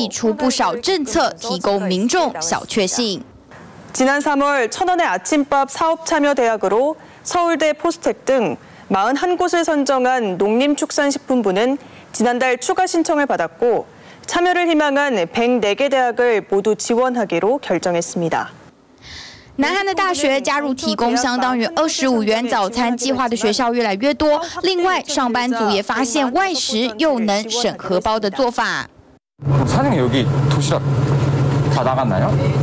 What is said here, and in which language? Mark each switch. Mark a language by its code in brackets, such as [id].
[zh] 痛苦的社会氛围，年轻世代感到绝望，政府还是有祭出不少政策，提供民众小确幸。 [ko] 지난 3월 천원의 아침밥 사업 참여 대학으로 서울대 포스텍 등 41곳을 선정한 농림축산식품부는 지난달 추가 신청을 받았고 참여를 희망한 104개 대학을 모두 지원하기로 결정했습니다. [zh] 南韩的大学加入提供相当于25元早餐计划的学校越来越多，另外上班族也发现外食又能省荷包的做法。 [ko] 사장님 여기 도시락 다 나갔나요?